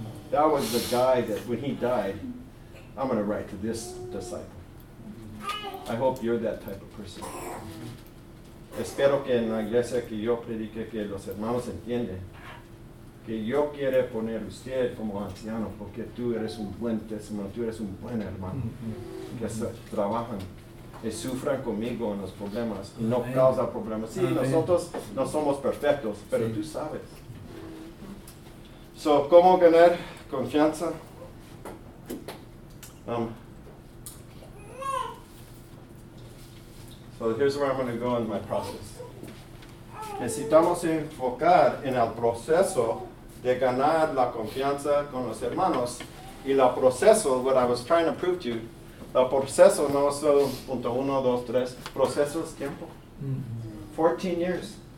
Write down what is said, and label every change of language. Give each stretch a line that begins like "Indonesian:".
English: That was the guy that when he died, I'm going to write to this disciple. I hope you're that type of person.
Spanish: Espero que en la iglesia que yo predique que los hermanos entienden que yo quiero poner usted como anciano porque tú eres un buen testimonio, tú eres un buen hermano que trabajan y sufran conmigo en los problemas y no causa problemas. Sí, nosotros no somos perfectos, pero tú sabes. So, ¿cómo ganar confianza?
English: So, here's where I'm going to go in my process.
Spanish: Necesitamos enfocar en el proceso de ganar la confianza con los hermanos. Y el proceso,
English: what I was trying to prove to you,
Spanish: el proceso no es solo punto uno, dos, tres. Proceso es tiempo.
English: 14 years.